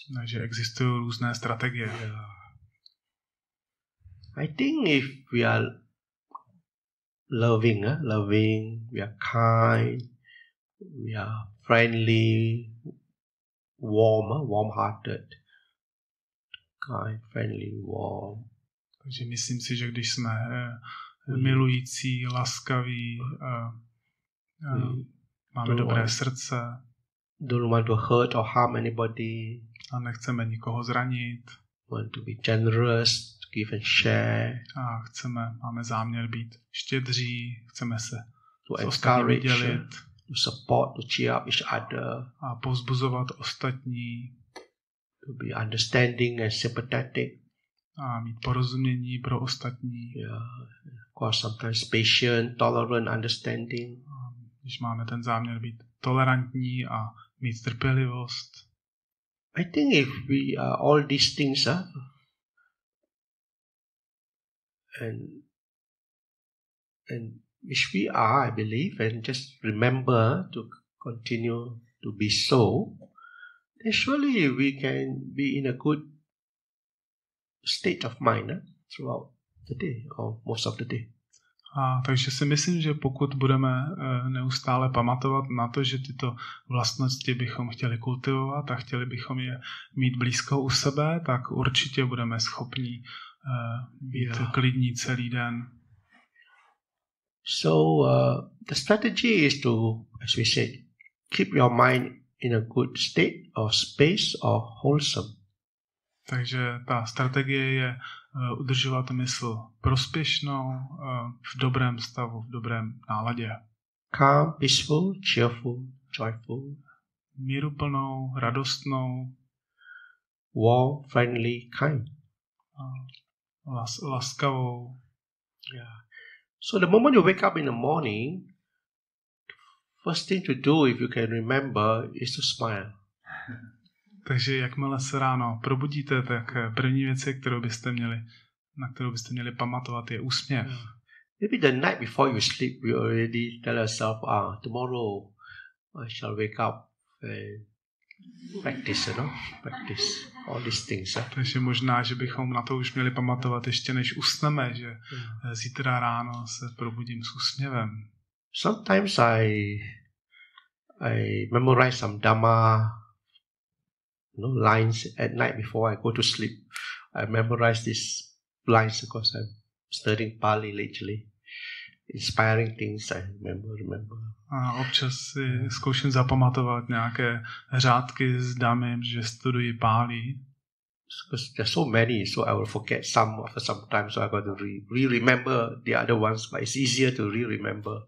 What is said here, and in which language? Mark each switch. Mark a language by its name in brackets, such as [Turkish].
[Czech] Takže existují různé strategie. [English] I think if we are loving, we are kind, we are friendly, warm-hearted, kind, friendly, warm. [Czech] Takže myslím si, že když jsme milující, laskaví, máme dobré srdce. [English] Don't want to hurt or harm anybody. [Czech] A nechceme nikoho zranit. [English] Want to be generous, give and share. [Czech] A chceme, máme záměr být štědří, chceme se ostatní dělit. [English] To support, to cheer up each other. [Czech] A povzbuzovat ostatní. [English] To be understanding and sympathetic. [Czech] A mít porozumění pro ostatní. [English] Yeah. Of course, sometimes patient, tolerant, understanding. [Czech] A když máme ten záměr být tolerantní a mít trpělivost. [English] I think if we are all these things, and which we are, I believe, and just remember to continue to be so, then surely we can be in a good state of mind throughout the day or most of the day. [Czech] A takže si myslím, že pokud budeme neustále pamatovat na to, že tyto vlastnosti bychom chtěli kultivovat a chtěli bychom je mít blízko u sebe, tak určitě budeme schopni být klidní celý den. [English] So the strategy is to, as we said, keep your mind in a good state or space or wholesome. [Czech] Takže ta strategie je udržovat mysl prospěšnou, v dobrém stavu, v dobrém náladě. [English] Calm, peaceful, cheerful, joyful. [Czech] Míruplnou, radostnou. [English] Warm, friendly, kind. [Czech] Laskavou. [English] Yeah. So the moment you wake up in the morning, first thing to do, if you can remember, is to smile. [Czech] Takže jakmile se ráno probudíte, tak první věc, kterou byste měli, na kterou byste měli pamatovat, je úsměv. [English] Maybe the night before you sleep, you already tell yourself, ah, tomorrow I shall wake up and practice, you know, practice all these things. Eh? [Czech] Takže možná, že bychom na to už měli pamatovat ještě než usneme, že zítra ráno se probudím s úsměvem. [English] Sometimes I memorize some Dhamma, you know, lines at night before I go to sleep. I memorize these lines because I'm studying Pali lately. Inspiring things I remember. [Czech] A občas si zkouším zapamatovat nějaké řádky s Dhammem, že studuji Pali. [English] Because there are so many, so I will forget some after some time, so I got to re-remember the other ones, but it's easier to re-remember.